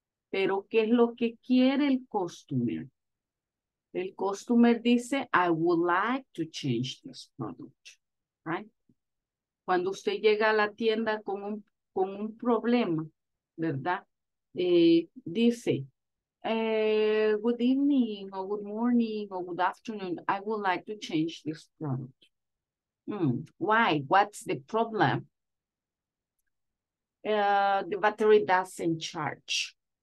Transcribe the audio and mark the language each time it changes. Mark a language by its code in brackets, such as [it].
[es] Pero ¿qué es lo que quiere el customer? El customer dice, [en] I would like to change this product. Right? [es] Cuando usted llega a la tienda con un problema, ¿verdad? Dice, [en] good evening, or good morning, or good afternoon, I would like to change this product. Why? What's the problem? The battery doesn't charge.